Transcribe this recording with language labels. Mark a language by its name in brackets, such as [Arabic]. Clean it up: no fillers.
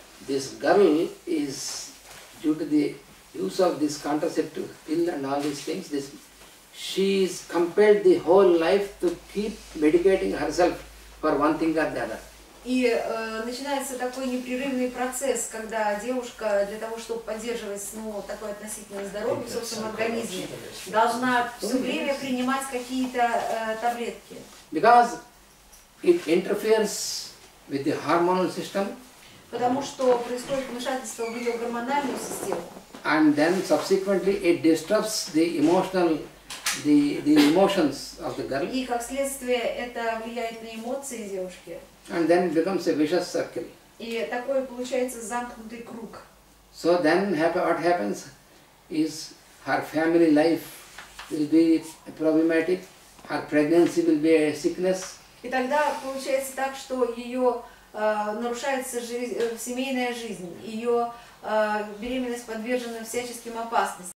[English] This girl is due to the use of this contraceptive pill and all these things. She is compelled the whole life to keep medicating herself for one thing or the other. [Russian] И начинается такой непрерывный процесс, когда девушка для того, чтобы поддерживать, ну, такое относительное здоровье в собственном организме, должна все время принимать какие-то таблетки. [English] Because it interferes with the hormonal system. [Russian] Потому что происходит вмешательство в ее гормональную систему. [English] And then subsequently it disturbs the emotional. The emotions of the girl. [Russian] И как следствие это влияет на эмоции девушки. [English] And then becomes a vicious circle. [Russian] И такой получается замкнутый круг. [English] So then what happens is her family life will be problematic, her pregnancy will be a sickness. [Russian] И тогда получается так, что ее нарушается семейная жизнь, ее беременность подвержена всяческим опасностям.